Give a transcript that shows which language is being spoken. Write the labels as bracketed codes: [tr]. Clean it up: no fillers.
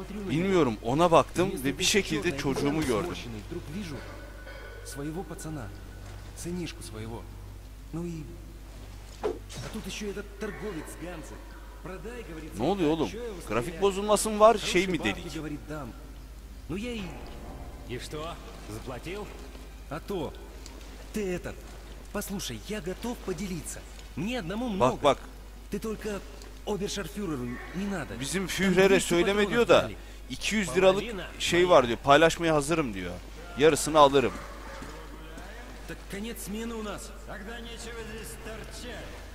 [tr] Bilmiyorum, ona baktım ve bir şekilde çocuğumu gördüm. [ru] Своего пацана, сынишку своего. Ну и а тут еще этот торговец Ганзе. Продай, говорит. [tr] Ne oluyor oğlum? Grafik bozulması mı var, şey mi delik? [ru] Ну я и что? Заплатил? А то ты этот. Послушай, я готов поделиться. Мне одному много. [tr] Bak bak. [ru] Ты только Oberscharführer'u не надо. [tr] Bizim Führer'e söyleme diyor da 200 liralık şey var diyor. Paylaşmaya hazırım diyor. Yarısını alırım. [ru] Так конец смены у нас. Тогда нечего здесь торчать.